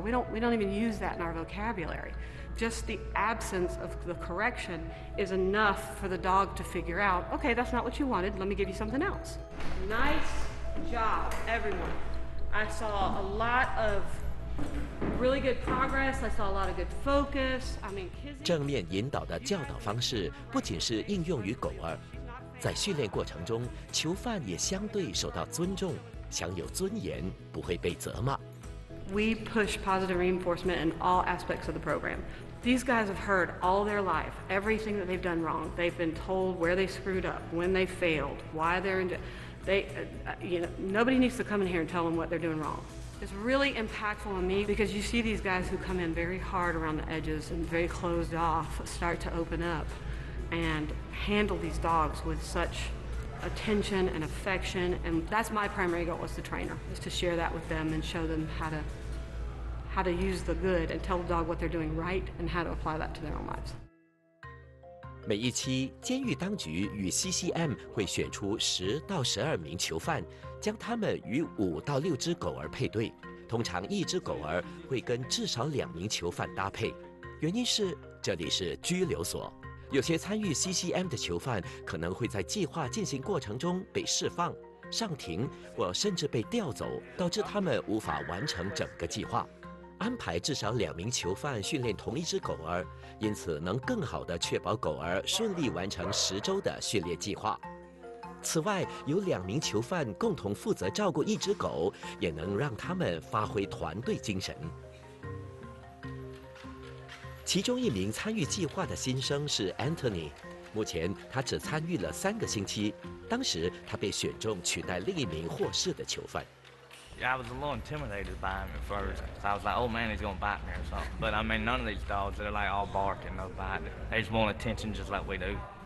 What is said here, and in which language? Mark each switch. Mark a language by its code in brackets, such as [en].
[en] We don't even use that in our vocabulary. Just the absence of the correction is enough for the dog to figure out, okay, that's not what you wanted, let me give you something else. Nice job, everyone. I saw a lot of really good progress. I saw a lot of good focus. I mean, [zh] 正面引导的教导方式不仅是应用于狗儿，在训练过程中，囚犯也相对受到尊重，享有尊严，不会被责骂。 [en] We push positive reinforcement in all aspects of the program. These guys have heard all their life everything that they've done wrong. They've been told where they screwed up, when they failed, why they're in. Nobody needs to come in here and tell them what they're doing wrong. It's really impactful on me because you see these guys who come in very hard around the edges and very closed off start to open up and handle these dogs with such attention and affection. And that's my primary goal as the trainer, is to share that with them and show them how to use the good and tell the dog what they're doing right and how to apply that to their own lives. [zh] 每一期监狱当局与 CCM 会选出10到12名囚犯，将他们与5到6只狗儿配对，通常一只狗儿会跟至少2名囚犯搭配。原因是这里是拘留所，有些参与 CCM 的囚犯可能会在计划进行过程中被释放、上庭或甚至被调走，导致他们无法完成整个计划。安排至少2名囚犯训练同一只狗儿，因此能更好地确保狗儿顺利完成10周的训练计划。此外，有2名囚犯共同负责照顾一只狗，也能让他们发挥团队精神。其中一名参与计划的新生是 Anthony， 目前他只参与了3个星期，当时他被选中取代另一名获释的囚犯。 [en] Yeah, I was a little intimidated by him at first. So I was like, oh man, he's gonna bite me or something. But I mean, none of these dogs, they're like all barking, no biting. They just want attention just like we do.